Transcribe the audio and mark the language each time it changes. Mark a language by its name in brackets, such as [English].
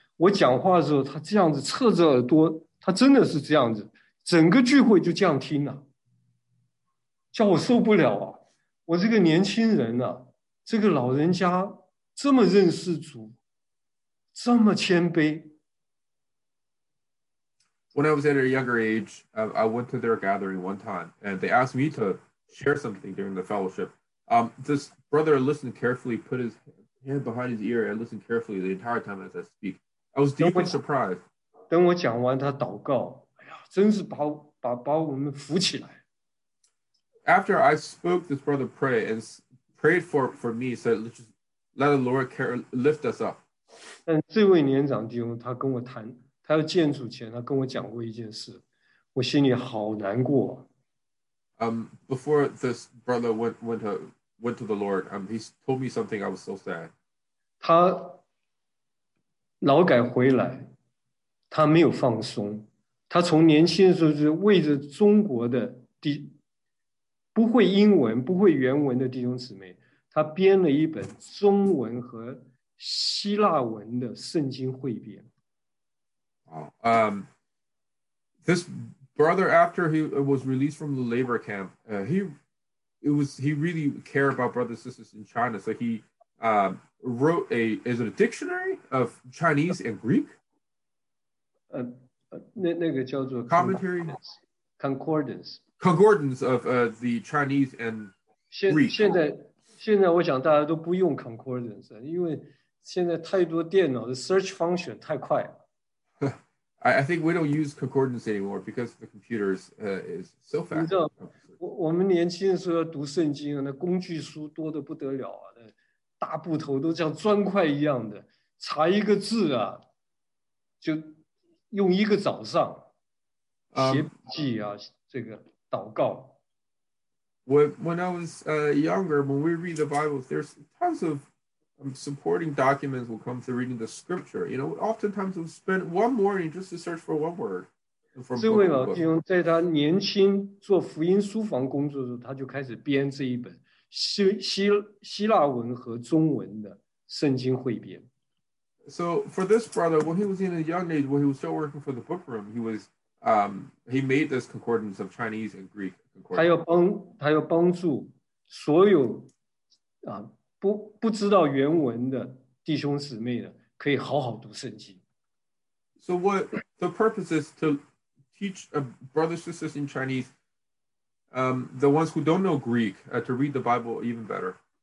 [Chinese] 我讲话的时候，他这样子侧着耳朵，他真的是这样子，整个聚会就这样听了，叫我受不了啊。我这个年轻人啊，这个老人家这么认识主，这么谦卑。 [English] When I was at a younger age, I went to their gathering one time, and they asked me to share something during the fellowship. This brother listened carefully, put his hand behind his ear, and listened carefully the entire time as I speak. I was deeply surprised. [Chinese] 等我讲完，他祷告，哎呀，真是把我们扶起来。 [English] After I spoke, this brother prayed for me, said, let the Lord lift us up. [Chinese] 但这位年长弟兄他跟我谈，他要见主前，他跟我讲过一件事，我心里好难过。 [English] Before this brother went to the Lord, he told me something. I was so sad. [Chinese] 他劳改回来，他没有放松，他从年轻的时候就为着中国的地不会英文、不会原文的弟兄姊妹，他编了一本中文和希腊文的圣经汇编。 [English] This brother, after he was released from the labor camp, he really cared about brothers and sisters in China, so he wrote a dictionary of Chinese and Greek. [Chinese] 那个叫做 [English] commentary concordance。 Concordance of the Chinese and Greek. [Chinese] 现在我想大家都不用 concordance， 因为现在太多电脑的 [English] search function [Chinese] 太快了。 [English] I think we don't use concordance anymore because the computers is so fast. [Chinese] 你知道，我们年轻的时候要读圣经啊，那工具书多得不得了啊，那大部头都像砖块一样的，查一个字啊，就用一个早上写笔记啊，这个。祷告。 [English] When I was younger, when we read the Bible, there's tons of supporting documents will come to reading the scripture. You know, oftentimes we'll spend one morning just to search for one word. [Chinese] 这位老弟兄在他年轻做福音书房工作的时候，他就开始编这一本。希腊文和中文的圣经汇编。 [English] So for this brother, when he was in his young age, when he was still working for the book room, he made this concordance of Chinese and Greek concordance. [Chinese] 他要帮助所有啊不知道原文的弟兄姊妹的，可以好好读圣经。 [English] So what the purpose is to teach brothers and sisters in Chinese, the ones who don't know Greek, to read the Bible even better.